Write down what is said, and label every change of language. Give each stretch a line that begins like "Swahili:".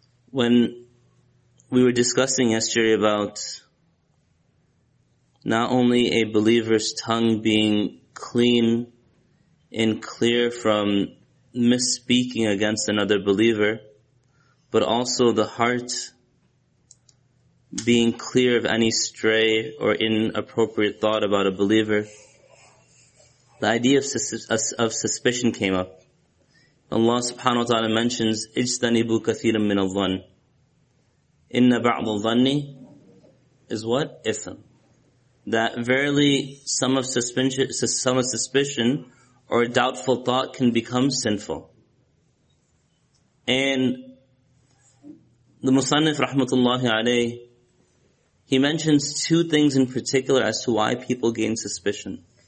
English: When we were discussing yesterday about not only a believer's tongue being clean and clear from misspeaking against another believer, but also the heart being clear of any stray or inappropriate thought about a believer, the idea of suspicion came up. Allah subhanahu wa ta'ala mentions,
Arabic: اجتنبوا كثيرا من الظن. إن بعض الظن
English: is what?
Arabic: إثم.
English: That verily some of suspicion or a doubtful thought can become sinful. And the Musannif rahmatullahi alayhi, he mentions two things in particular as to why people gain suspicion.